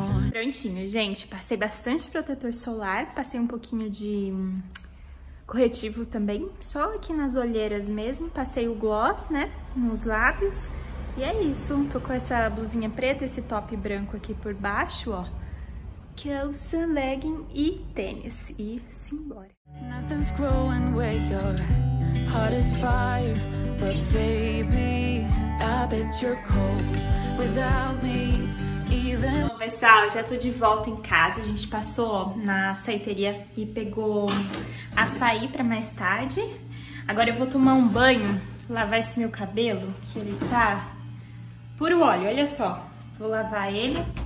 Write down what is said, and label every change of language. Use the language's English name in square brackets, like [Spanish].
[Portuguese] Prontinho, gente, passei bastante protetor solar, passei um pouquinho de corretivo também, só aqui nas olheiras mesmo, passei o gloss, né, nos lábios, e é isso, tô com essa blusinha preta, esse top branco aqui por baixo, ó, calça, legging e tênis, e simbora. [English] Nothing's growing where your heart is fire, but baby, I bet you're cold without me. [Portuguese] Bom, pessoal, já tô de volta em casa. A gente passou na saiteria e pegou açaí pra mais tarde. Agora eu vou tomar um banho, lavar esse meu cabelo, que ele tá puro óleo, olha só. Vou lavar ele.